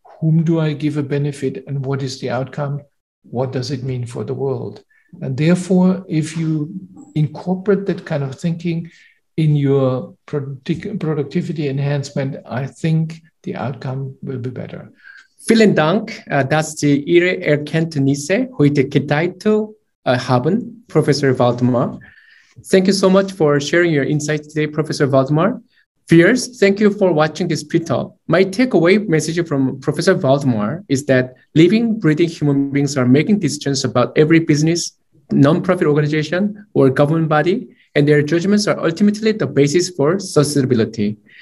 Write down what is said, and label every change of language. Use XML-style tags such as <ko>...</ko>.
<en>Whom do I give a benefit? And what is the outcome? What does it mean for the world? And therefore, if you incorporate that kind of thinking in your productivity enhancement, I think the outcome will be better.</en> <de>Vielen Dank, dass Sie Ihre Erkenntnisse heute geteilt haben, Professor Waldemar.</de> <en>Thank you so much for sharing your insights today, Professor Waldemar. Viewers, thank you for watching this pre-talk. My takeaway message from Professor Waldemar is that living, breathing human beings are making decisions about every business, nonprofit organization, or government body, and their judgments are ultimately the basis for sustainability.</en>